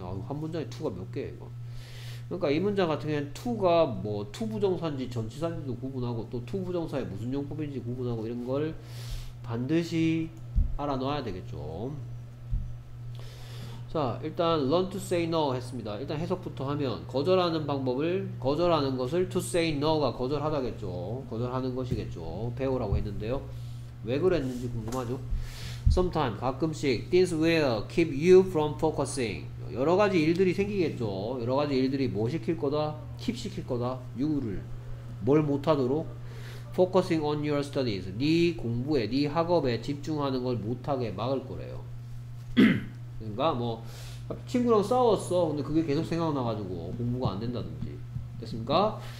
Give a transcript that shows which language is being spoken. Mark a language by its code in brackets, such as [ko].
[ko] 아, 한 문장에 to가 몇 개야 이거. 그러니까 이 문장 같은 경우에는 to가 뭐 to 부정사인지 전치사인지도 구분하고 또 to 부정사의 무슨 용법인지 구분하고 이런 걸 반드시 알아놔야 되겠죠. 자, 일단 [en] learn to say no [ko] 했습니다. 일단 해석부터 하면 거절하는 방법을 거절하는 것을 [en] to say no [ko] 가 거절하다겠죠. 거절하는 것이겠죠. 배우라고 했는데요. 왜 그랬는지 궁금하죠. [en] Sometimes [ko] 가끔씩 [en] things will keep you from focusing. [ko] 여러 가지 일들이 생기겠죠. 여러 가지 일들이 뭐 시킬 거다? keep 시킬 거다. you를 뭘 못하도록 [en] focusing on your studies. [ko] 네 공부에 네 학업에 집중하는 걸 못하게 막을 거래요. 그러니까 뭐 친구랑 싸웠어. 근데 그게 계속 생각나가지고 공부가 안 된다든지 됐습니까?